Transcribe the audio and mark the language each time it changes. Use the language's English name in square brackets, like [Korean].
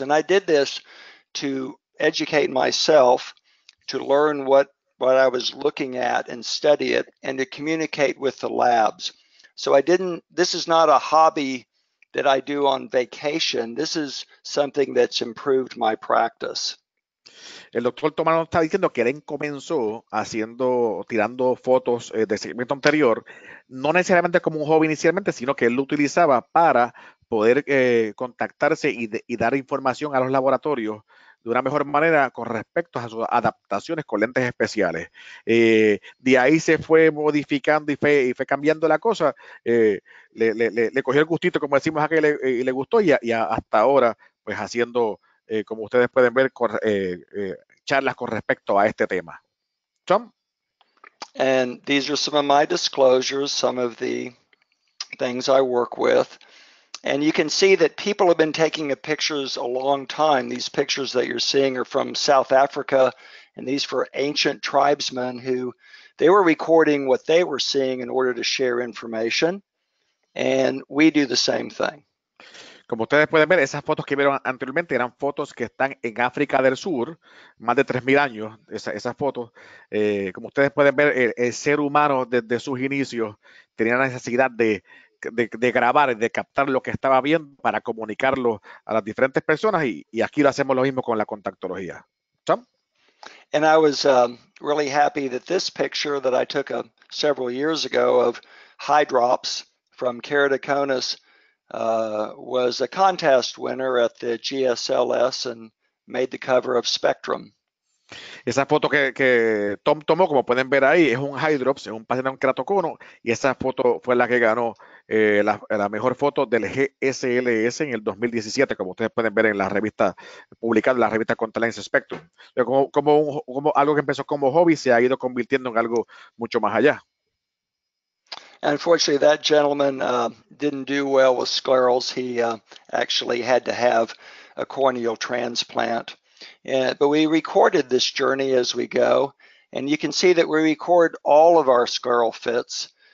[English] And I did this to educate myself, to learn what I was looking at and study it, and to communicate with the labs. So this is not a hobby that I do on vacation. This is something that's improved my practice. [Spanish] El doctor Tomano está diciendo que él comenzó haciendo, tirando fotos de segmento anterior, no necesariamente como un hobby inicialmente, sino que él lo utilizaba para poder contactarse y dar información a los laboratorios de una mejor manera con respecto a sus adaptaciones con lentes especiales. De ahí se fue modificando y fue cambiando la cosa. Le cogió el gustito, como decimos aquí, y le gustó y hasta ahora, pues haciendo, como ustedes pueden ver, charlas con respecto a este tema. [English] Tom. And these are some of my disclosures, some of the things I work with. And you can see that people have been taking the pictures a long time. These pictures that you're seeing are from South Africa, and these were ancient tribesmen who they were recording what they were seeing in order to share information. And we do the same thing. [Spanish] Como ustedes pueden ver, esas fotos que vieron anteriormente eran fotos que están en África del Sur, más de 3,000 años, esas fotos. Como ustedes pueden ver, el ser humano desde sus inicios tenía la necesidad de grabar y de captar lo que estaba viendo para comunicarlo a las diferentes personas y aquí lo hacemos lo mismo con la contactología. [English] Tom? And I was really happy that this picture that I took several years ago of high drops from Keratoconus was a contest winner at the GSLS and made the cover of Spectrum. [Spanish] Esa foto que Tom tomó, como pueden ver ahí, es un high drops, es un paciente en queratocono, y esa foto fue la que ganó la mejor foto del GSLS en el 2017, como ustedes pueden ver en la revista publicada, la revista Contralens Spectrum. Como algo que empezó como hobby, se ha ido convirtiendo en algo mucho más allá. [English] Unfortunately, that gentleman didn't do well with sclerals. He actually had to have a corneal transplant. But we recorded this journey as we go. And you can see that we record all of our scleral fits.